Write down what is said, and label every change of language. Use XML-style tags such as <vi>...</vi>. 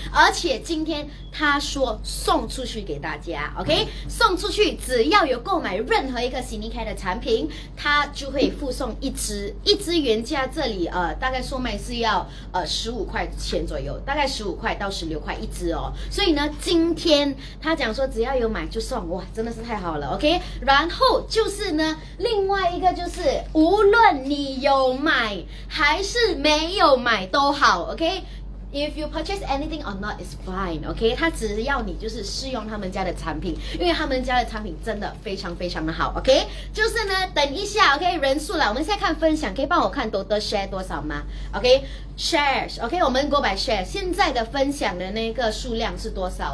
<zh>而且今天他说送出去给大家 ，OK， 送出去只要有购买任何一个 Cinecare 的产品，他就会附送一支，一支原价这里大概售卖是要15块钱左右，大概15块到16块一支哦。所以呢，今天他讲说只要有买就送，哇，真的是太好了 ，OK。然后就是呢，另外一个就是无论你有买还是没有买都好 ，OK。</zh> <en>If you purchase anything or not, it's fine, OK?</en> <zh>他只要你就是试用他们家的产品，因为他们家的产品真的非常非常的好， OK? 就是呢，等一下， OK? 人数了，我们现在看分享，可以帮我看</zh> <en>total share</en> <zh>多少吗？OK?</zh> <en>Shares, OK?</en> <zh>我们</zh> <en>go by share,</en> <zh>现在的分享的那个数量是多少？</zh>